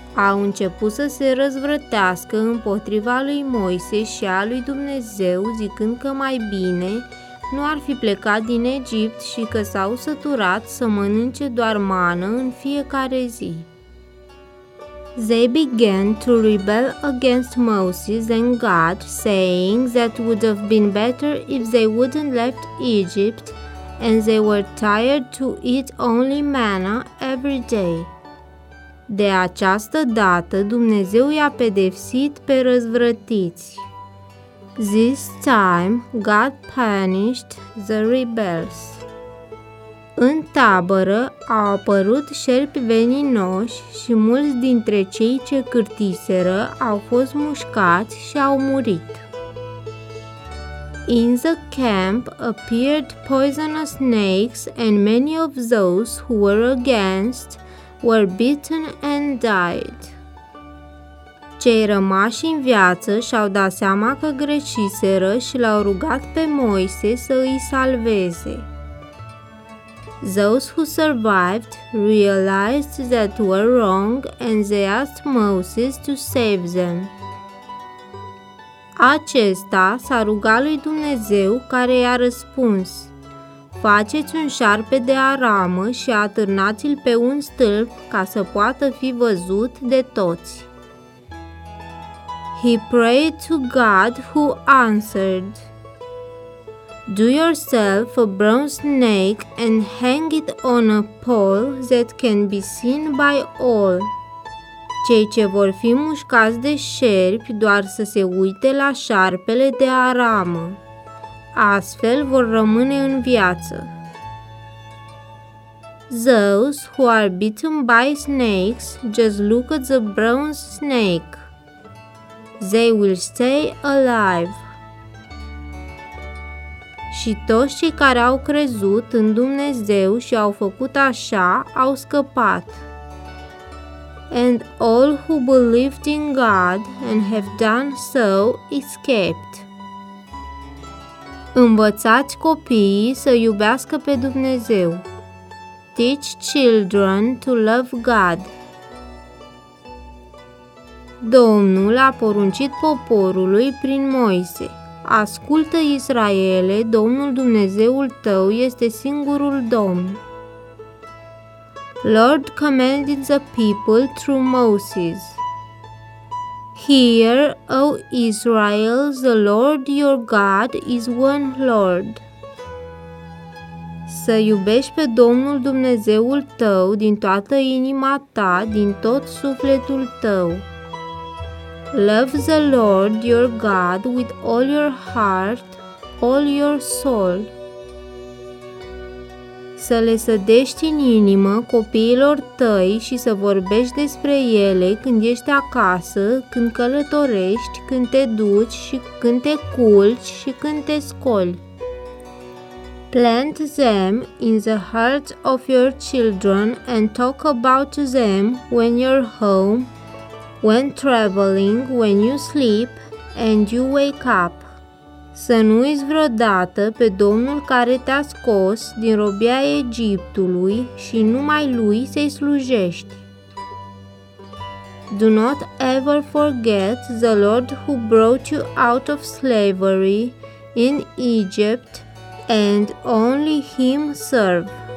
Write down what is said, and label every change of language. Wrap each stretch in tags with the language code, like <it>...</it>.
<ro>Au început să se răzvrătească împotriva lui Moise și a lui Dumnezeu, zicând că mai bine nu ar fi plecat din Egipt și că s-au săturat să mănânce doar mană în fiecare zi.</ro> <en>They began to rebel against Moses and God, saying that would have been better if they wouldn't left Egypt, and they were tired to eat only manna every day.</en> <ro>De această dată, Dumnezeu i-a pedepsit pe răzvrătiți.</ro> <en>This time, God punished the rebels.</en> <ro>În tabără au apărut șerpi veninoși și mulți dintre cei ce cârtiseră au fost mușcați și au murit.</ro> <en>In the camp appeared poisonous snakes and many of those who were against were bitten and died.</en> <ro>Cei rămași în viață și-au dat seama că greșiseră și l-au rugat pe Moise să îi salveze.</ro> <en>Those who survived realized that were wrong and they asked Moses to save them.</en> <ro>Acesta s-a rugat lui Dumnezeu care i-a răspuns, faceți un șarpe de aramă și atârnați-l pe un stâlp ca să poată fi văzut de toți.</ro> <en>He prayed to God who answered. Do yourself a bronze snake and hang it on a pole that can be seen by all.</en> <ro>Cei ce vor fi mușcați de șerpi doar să se uite la șarpele de aramă. Astfel vor rămâne în viață.</ro> <en>Those who are bitten by snakes just look at the bronze snake. They will stay alive.</en> <ro>Și toți cei care au crezut în Dumnezeu și au făcut așa, au scăpat.</ro> <en>And all who believed in God and have done so escaped.</en> <ro>Învățați copiii să iubească pe Dumnezeu.</ro> <en>Teach children to love God.</en> <ro>Domnul a poruncit poporului prin Moise. Ascultă, Israele, Domnul Dumnezeul tău este singurul Domn.</ro> <en>Lord commanded the people through Moses. Hear, O Israel, the Lord your God is one Lord.</en> <ro>Să iubești pe Domnul Dumnezeul tău din toată inima ta, din tot sufletul tău.</ro> <en>Love the Lord your God with all your heart, all your soul.</en> <ro>Să le sădești în inimă copiilor tăi și să vorbești despre ele când ești acasă, când călătorești, când te duci și când te culci și când te scoli.</ro> <en>Plant them in the hearts of your children and talk about them when you're home, when traveling, when you sleep and you wake up.</en> <ro>Să nu uiți vreodată pe Domnul care te-a scos din robia Egiptului și numai Lui să-i slujești.</ro> <en>Do not ever forget the Lord who brought you out of slavery in Egypt, and only Him serve.</en>